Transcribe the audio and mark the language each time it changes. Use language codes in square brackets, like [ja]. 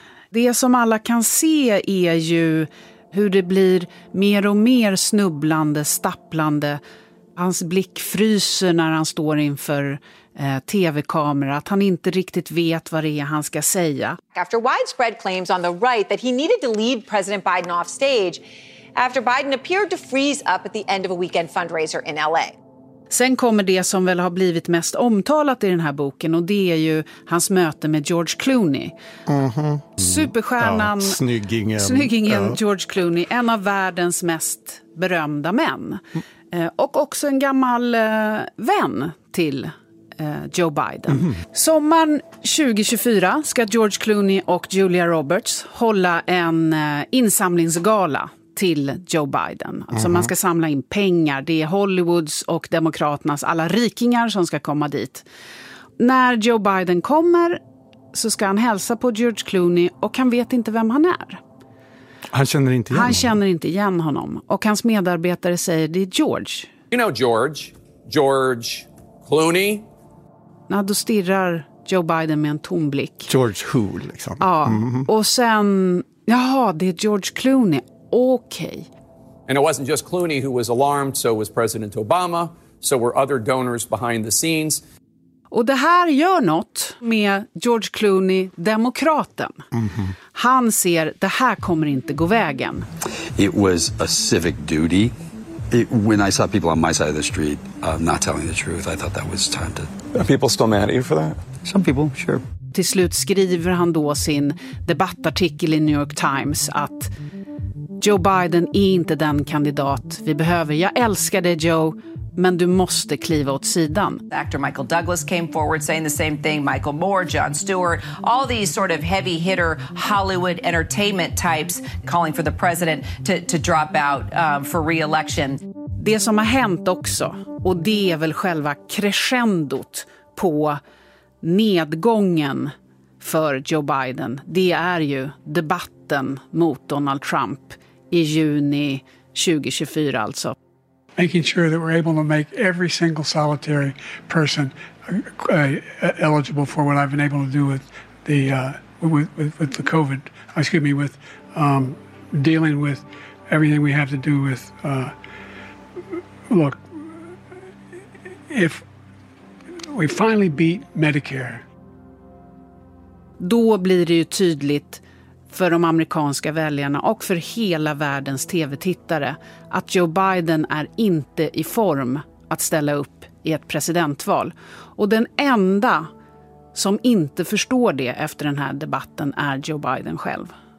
[sv] Det som alla kan se är ju hur det blir mer och mer snubblande, stapplande. Hans blick fryser när han står inför TV-kamera, att han inte riktigt vet vad det är han ska säga. [en] After widespread claims on the right that he needed to lead President Biden off stage after Biden appeared to freeze up at the end of a weekend fundraiser in LA. [sv] Sen kommer det som väl har blivit mest omtalat i den här boken, och det är ju hans möte med George Clooney. Mm-hmm. Superstjärnan, ja, snyggingen, George Clooney, en av världens mest berömda män. Och också en gammal vän till Joe Biden. Mm-hmm. Sommaren 2024 ska George Clooney och Julia Roberts hålla en insamlingsgala till Joe Biden. Alltså, mm-hmm, man ska samla in pengar. Det är Hollywoods och demokraternas alla rikingar som ska komma dit. När Joe Biden kommer så ska han hälsa på George Clooney, och han vet inte vem han är. Han känner inte igen honom. Han känner inte igen honom. Och hans medarbetare säger, det är George. [en] You know George. George Clooney. [sv] Ja, då stirrar Joe Biden med en tom blick. [en] George who, [sv] liksom. Ja, mm-hmm. Och sen, jaha, det är George Clooney. Okej. [en] Okay. And it wasn't just Clooney who was alarmed, so was President Obama. So were other donors behind the scenes. [sv] Och det här gör något med George Clooney, demokraten. Mm-hmm. Han ser, det här kommer inte gå vägen. [en] It was a civic duty when I saw people on my side of the street not telling the truth, I thought that was time to... Are people still mad at you for that? Some people, sure. [sv] Till slut skriver han då sin debattartikel i New York Times att Joe Biden är inte den kandidat vi behöver. Jag älskar dig, Joe, men du måste kliva åt sidan. [en] Actor Michael Douglas came forward saying the same thing. Michael Moore, John Stewart, all these sort of heavy hitter Hollywood entertainment types calling for the president to drop out for re-election. [sv] Det som har hänt också, och det är väl själva crescendot på nedgången för Joe Biden, det är ju debatten mot Donald Trump i juni 2024 alltså. [en] Making sure that we're able to make every single solitary person eligible for what I've been able to do with the with the COVID, excuse me, with dealing with everything we have to do with look, if we finally beat Medicare. [sv] Då blir det ju tydligt för de amerikanska väljarna och för hela världens tv-tittare att Joe Biden är inte i form att ställa upp i ett presidentval. Och den enda som inte förstår det efter den här debatten är Joe Biden själv.